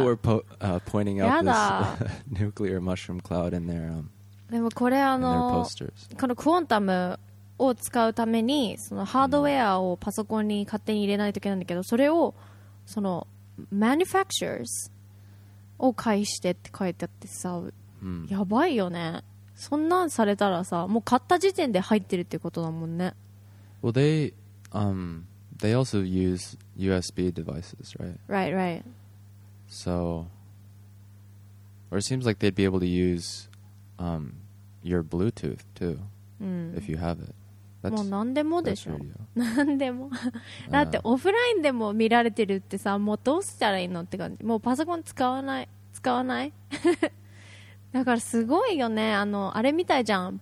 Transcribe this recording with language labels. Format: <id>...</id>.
<en>People were pointing out this nuclear mushroom cloud in their posters.</en> <ja>でもこれあの、このクォンタムを使うためにそのハードウェアをパソコンに勝手に入れないといけないんだけど、それをそのマニュファクチャーズを介してって書いてあってさ、うん、やばいよね。そんなんされたらさ、もう買った時点で入ってるってことだもんね。</ja> <en>Well, they also use USB devices, right? Right. So, or it seems like they'd be able to use your Bluetooth too, if you have it. That's,</en> <ja>もう何でもでしょ。何でも。だってオフラインでも見られてるってさ、もうどうしたらいいのって感じ。もうパソコン使わない。だからすごいよね。あのあれみたいじゃん。</ja>